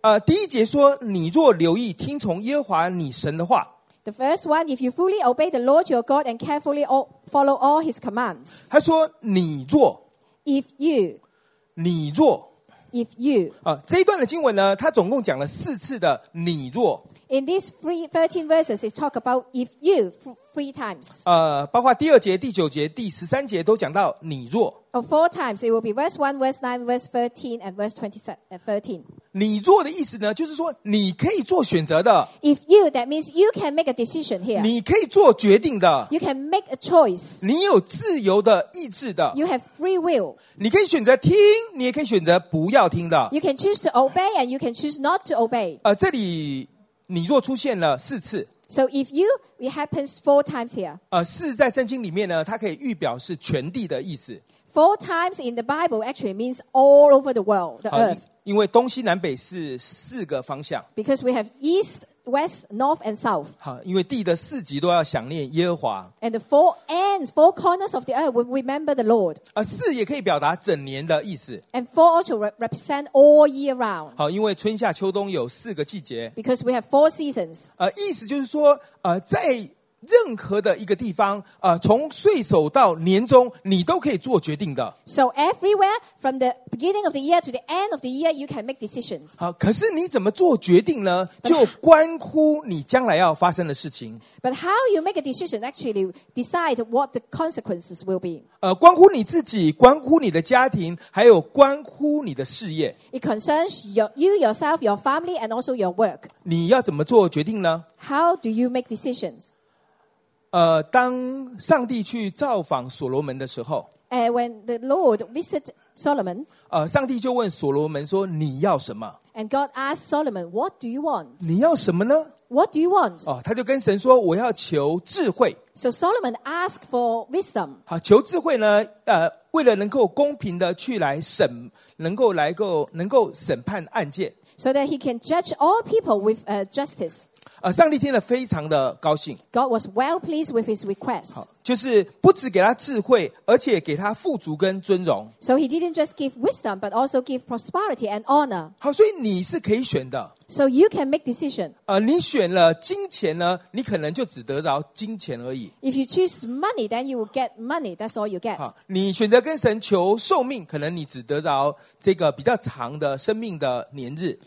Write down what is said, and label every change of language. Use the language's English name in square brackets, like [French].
[Chinese] 第一节说，你若留意听从耶和华你神的话。 [English] The first one, if you fully obey the Lord your God and carefully follow all his commands. [Chinese] 他说你若。 [English] If you. [Chinese] 你若。 [English] If you. [Chinese] 这一段的经文呢，它总共讲了四次的你若。 [English] In these 13 verses, it talks about if you three times. [Chinese] 包括第二节、第九节、第十三节都讲到你若。 [English] Oh, four times. It will be verse 1, verse 9, verse 13, and verse 13. [Chinese] 你若的意思呢，就是说你可以做选择的。 [English] If you, that means you can make a decision here. [Chinese] 你可以做决定的。 [English] You can make a choice. [Chinese] 你有自由的意志的。 [English] You have free will. [Chinese] 你可以选择听，你也可以选择不要听的。 [English] You can choose to obey and you can choose not to obey. [Chinese] 这里你若出现了四次。 [English] So if you, it happens four times here. [Chinese] 四在圣经里面呢，它可以预表是全地的意思。 [English] Four times in the Bible actually means all over the world, the earth. [Chinese] 因为东西南北是四个方向。 [English] Because we have east, west, north, and south. [Chinese] 因为地的四极都要想念耶和华。 [English] And the four ends, four corners of the earth will remember the Lord. [Chinese] 四也可以表达整年的意思。 [English] And four also represent all year round. [Chinese] 因为春夏秋冬有四个季节。 [English] Because we have four seasons. [Chinese] 意思就是说，在任何的一个地方，从岁首到年终，你都可以做决定的。 [English] So everywhere from the beginning of the year to the end of the year, you can make decisions. [Chinese] 可是你怎么做决定呢？就关乎你将来要发生的事情。 [English] But how you make a decision actually decide what the consequences will be. [Chinese] 关乎你自己，关乎你的家庭，还有关乎你的事业。 [English] It concerns you yourself, your family, and also your work. [Chinese] 你要怎么做决定呢？ [English] How do you make decisions? [Chinese] 当上帝去造访所罗门的时候 [English] When the Lord visited Solomon, [Chinese] 上帝就问所罗门说你要什么 [English] And God asked Solomon, what do you want? [Chinese] 你要什么呢 [English] What do you want? [Chinese] 他就跟神说我要求智慧 [English] So Solomon asked for wisdom. [Chinese] 求智慧呢为了能够公平的去来审能够审判案件 [English] So that he can judge all people with justice. [Chinese] 上帝听了非常的高兴。 [English] God was well pleased with his request. [Chinese] 就是不只给他智慧，而且给他富足跟尊荣。 [English] So he didn't just give wisdom, but also give prosperity and honor. [Chinese] 好，所以你是可以选的。 [English] So you can make decision. [Chinese] 你选了金钱呢，你可能就只得着金钱而已。 [English] If you choose money, then you will get money. That's all you get. [Chinese] 你选择跟神求寿命，可能你只得着这个比较长的生命的年日。